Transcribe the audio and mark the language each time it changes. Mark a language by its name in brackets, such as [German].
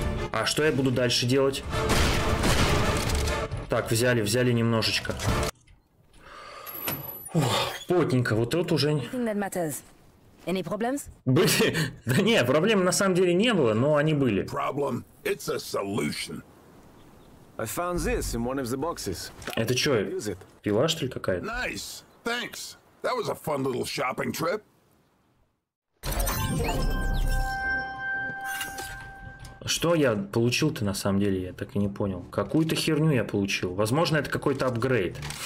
[Russian] А что я буду дальше делать? Так, взяли, взяли немножечко. Ух, потненько. Вот это уже... [English] Any problems? [Russian] Были? Да не, проблем на самом деле не было, но они были. [English] Problem. It's a solution. I found this in one of the boxes. [Russian] Это что, пила, что ли, какая-то? [English] Nice. Thanks. That was a fun little shopping trip. [Russian] Что я получил-то на самом деле, я так и не понял. Какую-то херню я получил. Возможно, это какой-то апгрейд.